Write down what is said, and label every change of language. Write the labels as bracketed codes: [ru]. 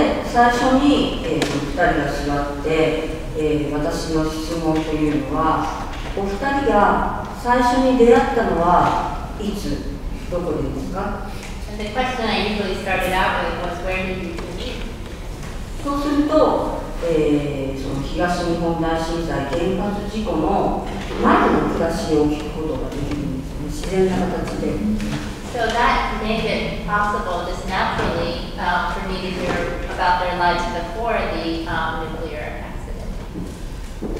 [ja] 最初に、2人が知り合って、私の質問というのは、お二人が最初に出会ったのはいつ、どこでですか？ [en] The question I usually started out with was where did you meet? [ja] そうすると、その東日本大震災原発事故の前の暮らしを聞くことができるんですね、自然な形で。 [en] So that made it possible just naturally for me to hear about their lives before the nuclear accident.